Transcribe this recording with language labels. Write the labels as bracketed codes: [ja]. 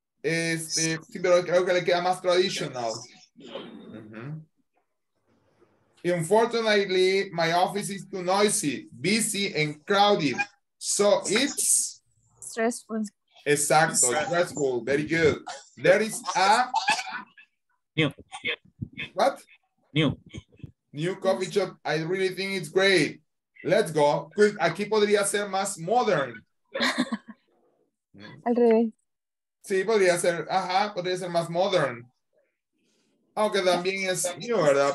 [es] Sí, pero creo que le queda más traditional. [en] Unfortunately, my office is too noisy, busy, and crowded. So it's stressful. Exacto, stressful. Very good. There is a new. What? New. New coffee shop. I really think it's great. Let's go. [es] Aquí podría ser más modern. Al revés. Sí, podría ser. Ajá, podría ser más modern. Aunque también es new, ¿verdad?